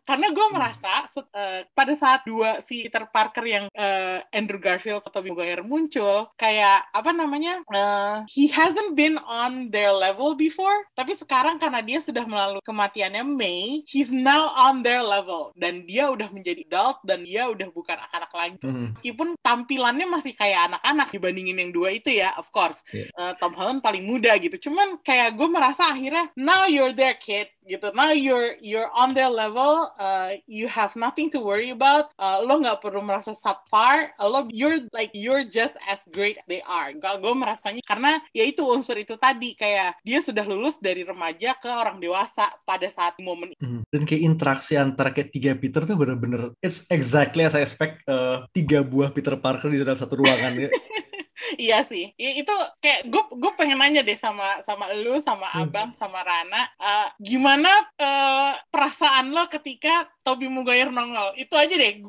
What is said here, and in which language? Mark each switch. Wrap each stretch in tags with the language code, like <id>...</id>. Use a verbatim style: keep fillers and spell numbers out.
<id>Karena gue merasa uh, pada saat dua si Peter Parker yang uh, Andrew Garfield atau Tobey Maguire muncul kayak apa namanya uh,</id> <en>he hasn't been on their level before</en> <id>tapi sekarang karena dia sudah melalui kematiannya May</id> <en>he's now on their level</en> <id>dan dia udah menjadi adult dan dia udah bukan anak-anak lagi mm-hmm. meskipun tampilannya masih kayak anak-anak dibandingin yang dua itu ya</id> <en>of course yeah. uh,</en> <id>Tom Holland paling muda gitu cuman kayak gue merasa akhirnya</id> <en>now you're their kid gitu now you're you're on their level uh, you have nothing to worry about uh,</en> <id>lo nggak perlu merasa subpar lo</id> <en>you're like you're just as great as they are.</en> <id>Gue merasanya karena ya itu unsur itu tadi kayak dia sudah lulus dari remaja ke orang dewasa pada saat momen itu. Hmm. Dan kayak interaksi antara kayak tiga Peter tuh bener-bener</id> <en>it's exactly as I expect</en> <id>uh, tiga buah Peter Parker di dalam satu ruangan. Iya sih, itu kayak gue gue pengen nanya deh sama sama lu, sama abang, sama Rana, uh, gimana uh, perasaan lo ketika Tobey Maguire nongol? Itu aja deh.</id>